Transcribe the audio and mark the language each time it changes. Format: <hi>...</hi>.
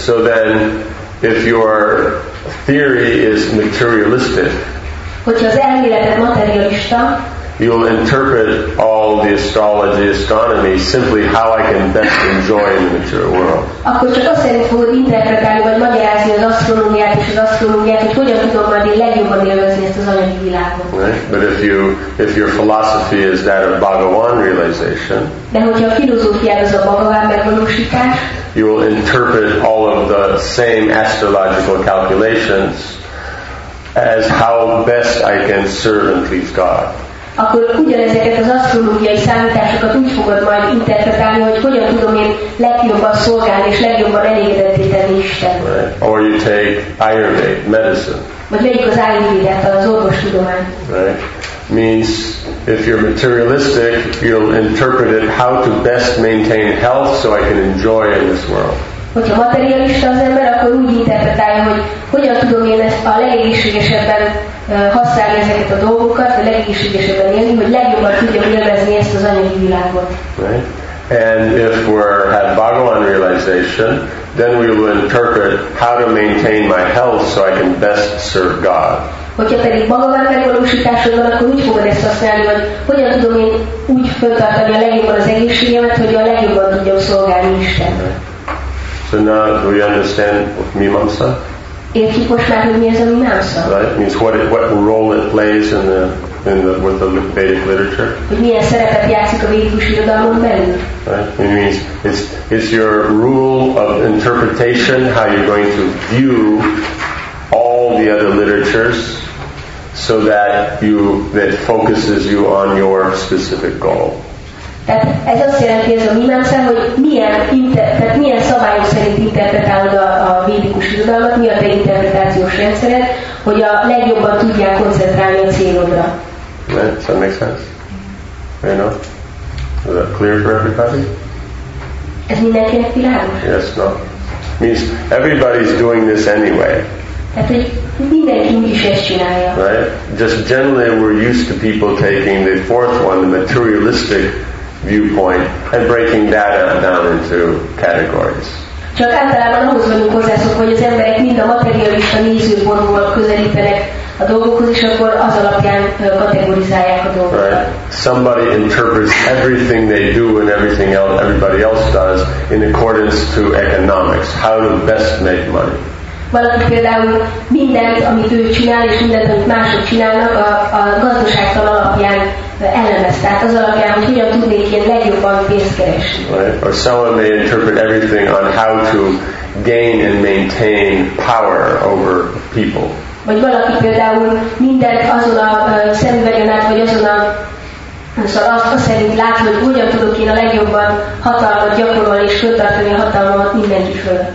<en>So then, if your theory is materialistic,</en> <hu>hogyha az elméleted materialista,</hu> <en>you'll interpret all the astrology, astronomy, simply how I can best enjoy the material world.</en> <hu>Akkor csak azt szerint fogod interpretálni, vagy magyarázni az asztrológiát és az asztrológiát, hogy hogyan tudok majd én legjobban élvezni ezt az anyagi világot.</hu> <en>Right? But if your philosophy is that of Bhagavan realization,</en> <hu>de hogyha a filozófiád az a Bhagavan megvalósítás,</hu> <en>you will interpret all of the same astrological calculations as how best I can serve and please God.</en> <hu>Akkor ugyanezeket az asztrológiai számításokat úgy fogod majd interpretálni, hogy hogyan tudom én legjobban szolgálni és legjobban elégedetté tenni Istent.</hu> <en>Right. Or you take Ayurveda, medicine.</en> <hu>Vagy legyik az Ayurvédát, az orvos tudomány.</hu> <en>Right. Means if you're materialistic, you'll interpret it how to best maintain health so I can enjoy in this world.</en> <hu>Hogyha materialista az ember, akkor úgy interpretálja, hogy hogyan tudom én ezt a legegészségesebben használni ezeket a dolgokat, vagy legegészségesebben élni, hogy legjobban tudjam élvezni ezt az anyagi világot.</hu> <en>Right. And if we're at Bhagavan realization, then we will interpret how to maintain my health so I can best serve God.</en> <hu>Hogyha pedig Bhagavan megvalósításod van, akkor úgy fogod ezt használni, hogy hogyan tudom én úgy föltartani a legjobban az egészségemet, hogy a legjobban tudjam szolgálni Isten.</hu> <en>So now do you understand what Mimamsa?</en> <hu>Értjük most már, hogy mi ez a Mimamsa?</hu> <en>Right? Means what role it plays with the Vedic literature.</en> <hu>Hogy milyen szerepet játszik a védikus irodalmon belül.</hu> <en>Right? It means it's your rule of interpretation, how you're going to view all the other literatures so that that focuses you on your specific goal.</en> <hu>Tehát ez azt jelenti, ez a Mimamsa, hogy milyen szabályok szerint interpretálod a védikus irodalmat, mi a te interpretációs rendszered, hogy a legjobban tudják koncentrálni a célodra.</hu> <en>Right, does that make sense? You know? Is that clear for everybody?</en> <hu>Ez mindenkinek világos?</hu> <en>Yes, no. Means everybody's doing this anyway.</en> <hu>Tehát, hogy mindenki úgy is ezt csinálja.</hu> <en>Right? Just generally we're used to people taking the fourth one, the materialistic viewpoint, and breaking that down into categories. Csak általában ahhoz vagyunk hozzászok, hogy az emberek mind a materialista nézőpontból közelítenek a dolgokhoz, és akkor az alapján kategorizálják a dolgokat. Right. Somebody interprets everything they do and everything else everybody else does in accordance to economics. How to best make money.</en> <hu>Valaki például mindent, amit ő csinál, és mindent, amit mások csinálnak, a gazdaságtan alapján elemez. Tehát az alapján, hogy hogyan tudnék én legjobban pénzt keresni.</hu> <en>Right. Or someone may interpret everything on how to gain and maintain power over people.</en> <hu>Vagy valaki például mindent azon a szemüvegen át, vagy azon a szóval azt szerint látni, hogy hogyan tudok én a legjobban hatalmat gyakorolni és föltartani a hatalmat mindenki föl.</hu>